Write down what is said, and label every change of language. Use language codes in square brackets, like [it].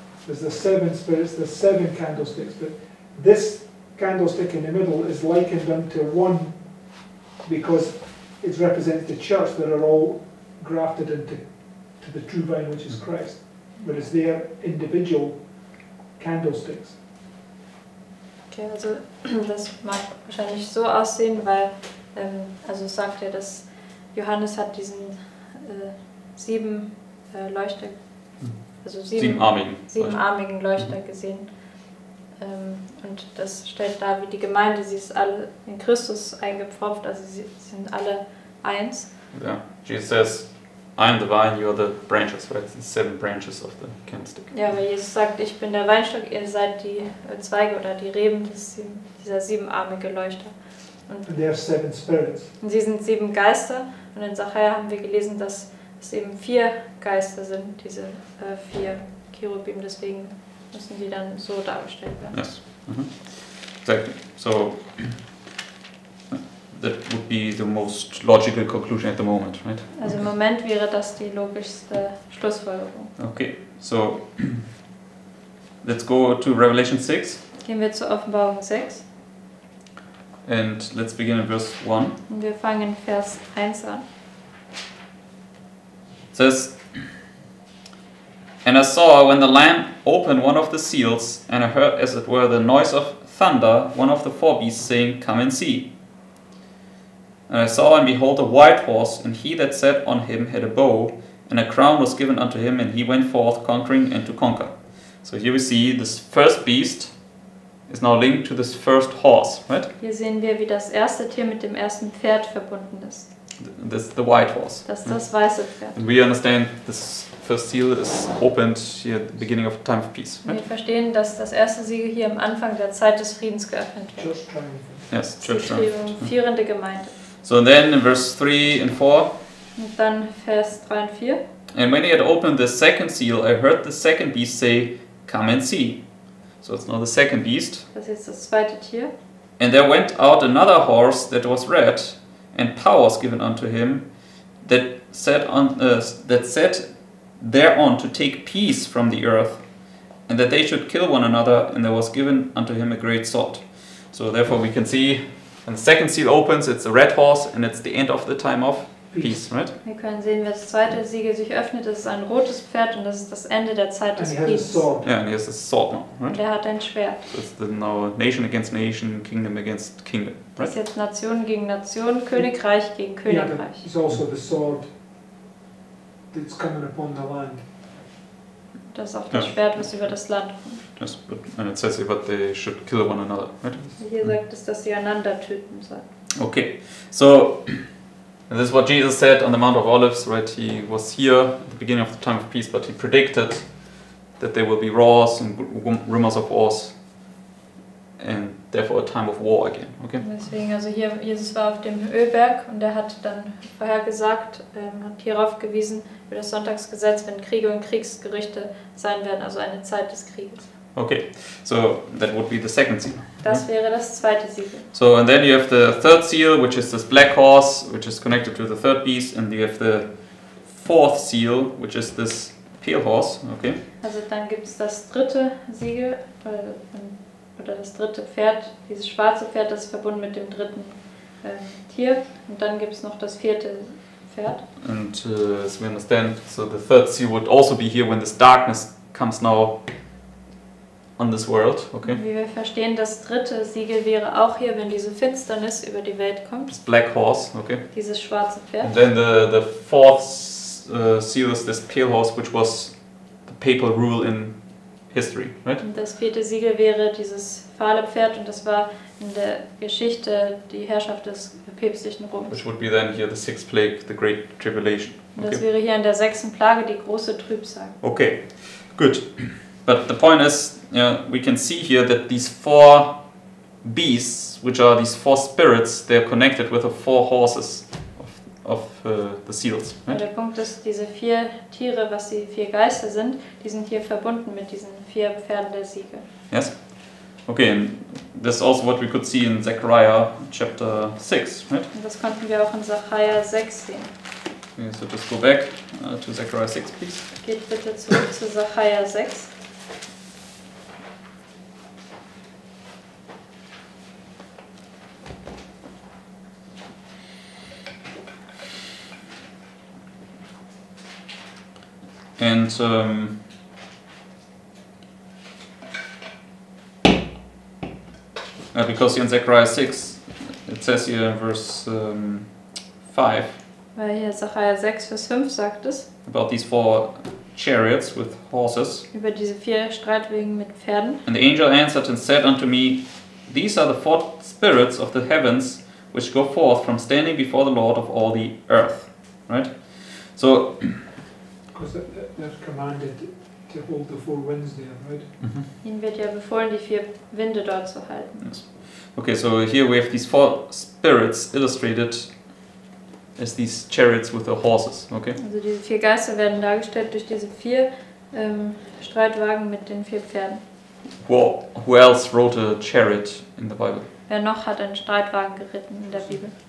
[en] There's the seven spirits, there's seven candlesticks, but this candlestick in the middle is likened unto one because it represents the church that are all grafted into the true vine, which is Christ. Whereas they are individual candlesticks. [de] Okay, also das mag wahrscheinlich so aussehen, weil also sagt er, dass Johannes hat diesen siebenarmigen Leuchter gesehen. Und das stellt dar, wie die Gemeinde, sie ist alle in Christus eingepfropft, also sie sind alle eins. [en] Yeah. Jesus says, I am the vine, you are the branches, right? The seven branches of the candlestick. [de] Ja, aber Jesus sagt, ich bin der Weinstock, ihr seid die Zweige oder die Reben, dieser siebenarmige Leuchter. [en] And they are seven spirits. [de] Und sie sind sieben Geister. Und in Zachariah haben wir gelesen, dass es eben vier Geister sind, diese vier Cherubim, deswegen müssen sie dann so dargestellt werden. [en] Yes. Mm-hmm. Exactly. So that would be the most logical conclusion at the moment, right? [de] Also im Moment wäre das die logischste Schlussfolgerung. [en] Okay, so let's go to Revelation 6. [de] Gehen wir zu Offenbarung 6. [en] And let's begin in verse 1. [de] Und wir fangen in Vers 1 an. [en] It says, and I saw when the Lamb opened one of the seals, and I heard as it were the noise of thunder, one of the four beasts saying, come and see. And I saw, and behold, a white horse, and he that sat on him had a bow, and a crown was given unto him, and he went forth conquering and to conquer. So here we see this first beast is now linked to this first horse, right? [de] Hier sehen wir, wie das erste Tier mit dem ersten Pferd verbunden ist. [en] This the white horse. [de] Das ist das weiße Pferd. [en] And we understand this first seal is opened here at the beginning of time of peace. Right? [de] Wir verstehen, dass das erste Siegel hier am Anfang der Zeit des Friedens geöffnet wird. [en] Church triumph. Yes, church triumph. [de] Führende Gemeinde. [en] So then in verse 3 and 4. [de] Und dann Vers 3 und 4. [en] And when he had opened the second seal, I heard the second beast say, come and see. So it's now the second beast. [de] Das ist das zweite Tier. [en] And there went out another horse that was red, and power was given unto him that sat on that sat thereon to take peace from the earth, and that they should kill one another, and there was given unto him a great sword. So therefore we can see when the second seal opens, it's a red horse, and it's the end of the time of peace, right? [de] Wir können sehen, wenn das zweite Siegel sich öffnet, das ist ein rotes Pferd und das ist das Ende der Zeit des Friedens. [en] Yeah, and he has a sword now, right? [de] Und er hat ein Schwert. [en] So it's the now nation against nation, kingdom against kingdom, right? [de] Das ist jetzt Nation gegen Nation, Königreich gegen Königreich. [en] Yeah, it's also the sword that's coming upon the land. [de] Das ist auch das Schwert, was über das Land kommt. [en] Yes, but and it says here that they should kill one another, right? [de] Hier sagt es, dass sie einander töten sollen. [en] Okay, so and this is what Jesus said on the Mount of Olives, right? He was here at the beginning of the time of peace, but he predicted that there will be wars and rumors of wars, and therefore a time of war again. Okay. [de] Deswegen, also hier, Jesus war auf dem Ölberg und hat dann vorhergesagt, hat hierauf gewiesen über das Sonntagsgesetz, wenn Kriege und Kriegsgerüchte sein werden, also eine Zeit des Krieges. [en] Okay, so that would be the second seal. [de] Das wäre das zweite Siegel. [en] So, and then you have the third seal, which is this black horse, which is connected to the third beast, and you have the fourth seal, which is this pale horse, okay? [de] Also dann gibt es das dritte Siegel, oder das dritte Pferd, dieses schwarze Pferd, das ist verbunden mit dem dritten Tier, und dann gibt es noch das vierte Pferd. [en] And as we understand, so the third seal would also be here when this darkness comes now on this world, okay? [de] Wie wir verstehen, das dritte Siegel wäre auch hier, wenn diese Finsternis über die Welt kommt. [en] This black horse, okay? [de] Dieses schwarze Pferd. [en] And then the fourth seal is this pale horse, which was the papal rule in history, right? Und das vierte Siegel wäre dieses fahle Pferd, und das war in der Geschichte die Herrschaft des päpstlichen Roms. Which would be then here the sixth plague, the great tribulation. Okay? [de] Das wäre hier in der sechsten Plage die große Trübsal. [en] Okay, good. But the point is, we can see here that these four beasts, which are these four spirits, they are connected with the four horses of the seals. Right? [de] Der Punkt ist, diese vier Tiere, was die vier Geister sind, die sind hier verbunden mit diesen vier Pferden der Siege. [en] Yes. Okay, and this is also what we could see in Zechariah chapter 6, right? [de] Und das konnten wir auch in Zechariah 6 sehen. [en] Okay, so just go back to Zechariah 6, please. [de] Geht bitte zurück zu Zechariah 6. [en] And because in Zechariah 6 it says here in verse 5. [de] Weil hier Zechariah 6 Vers 5 sagt es. [en] About these four chariots with horses. [de] Über diese vier Streitwagen mit Pferden. [en] And the angel answered and said unto me, these are the four spirits of the heavens which go forth from standing before the Lord of all the earth. Right? So they're commanded to hold the four winds there, right? [de] Ihnen wird ja befohlen, die vier Winde dort zu halten. [en] Yes. Okay, so here we have these four spirits illustrated as these chariots with the horses, okay? [de] Also diese vier Geister werden dargestellt durch diese vier Streitwagen mit den vier Pferden. [en] Who else wrote a chariot in the Bible? [de] Wer noch hat einen Streitwagen geritten in der Bibel?